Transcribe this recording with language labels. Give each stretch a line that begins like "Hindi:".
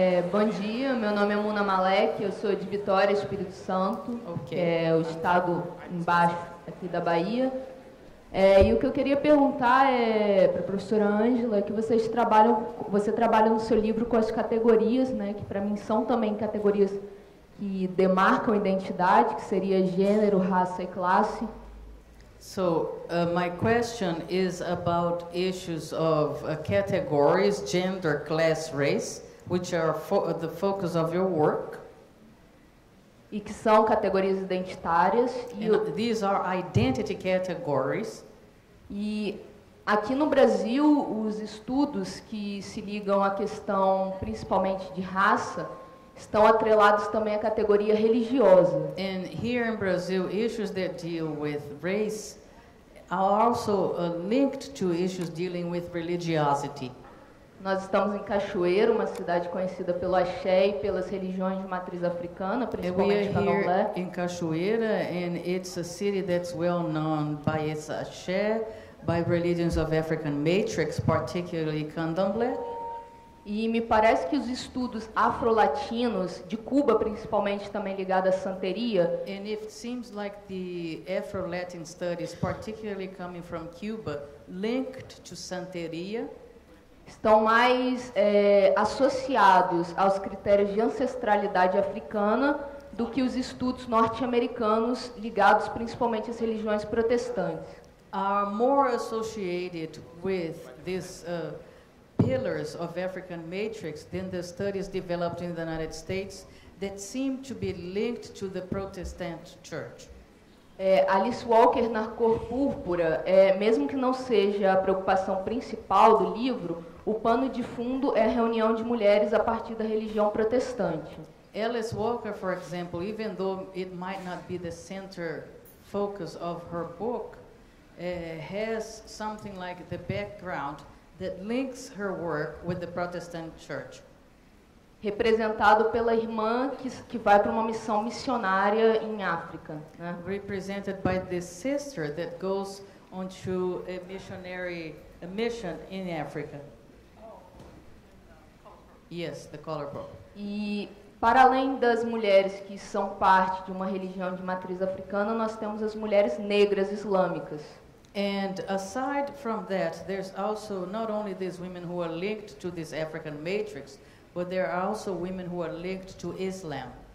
Portuguese: Bom dia, meu nome é Muna Malek, eu sou de Vitória, Espírito Santo, que é o estado embaixo aqui da Bahia. E o que eu queria perguntar é para a professora Ângela, que você trabalha no seu livro com as categorias, né, que para mim são também categorias que demarcam identidade, que seria gênero, raça e classe.
English: So, my question is about issues of categories, gender, class, race, which are the focus of your work.
Portuguese: E que são categorias identitárias.
English: These are identity categories.
Portuguese: E aqui no Brasil, os estudos que se ligam à questão principalmente de raça estão atrelados também à categoria religiosa.
English: And here in Brazil, issues that deal with race are also linked to issues dealing with religiosity.
Portuguese: Nós estamos em Cachoeira, uma cidade conhecida pelo axé e pelas religiões de matriz africana, principalmente Candomblé.
English: We are here in Cachoeira, and it's a city that's well known by its axé, by religions of African matrix, particularly Candomblé.
Portuguese: E me parece que os estudos afro-latinos de Cuba, principalmente também ligados à santeria,
English: and it seems like the Afro-Latin studies, particularly coming from Cuba, linked to santeria,
Portuguese: estão mais associados aos critérios de ancestralidade africana do que os estudos norte-americanos ligados principalmente às religiões protestantes.
English: Are more associated with these pillars of African matrix than the studies developed in the United States that seem to be linked to the Protestant Church.
Portuguese: Alice Walker na Cor Púrpura, mesmo que não seja a preocupação principal do livro, o pano de fundo é a reunião de mulheres a partir da religião protestante.
English: Alice Walker, for example, even though it might not be the center focus of her book, has something like the background that links her work with the Protestant Church.
Portuguese: Representado pela irmã que vai para uma missão missionária em África, né?
English: Represented by the sister that goes on to a missionary a mission in Africa. Yes, the color book.
Portuguese: E para além das mulheres que são parte de uma religião de matriz africana, nós temos as mulheres negras islâmicas.
English: And aside from that, there's also not only these women who are linked to this African matrix, but there are also women who are linked to Islam.